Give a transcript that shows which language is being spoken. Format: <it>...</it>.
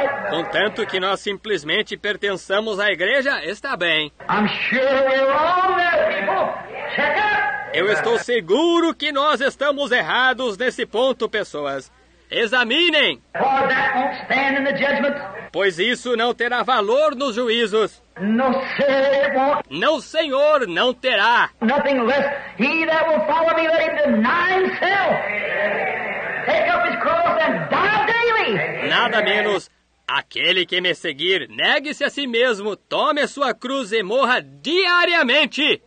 <pt>Contanto que nós simplesmente pertençamos à igreja, está bem.</pt> <en>I'm sure we're all there, people. Check it.</en> <pt>Eu estou seguro que nós estamos errados nesse ponto, pessoas. Examinem!</pt> <en>Well, that won't stand in the judgment.</en> <pt>Pois isso não terá valor nos juízos.</pt> <en>No, sir, it won't.</en> <pt>Não, senhor, não terá.</pt> <en>Nothing less. He that will follow me, let him deny himself. Take up his cross and die daily.</en> <pt>Nada menos. Aquele que me seguir, negue-se a si mesmo, tome a sua cruz e morra diariamente.</pt>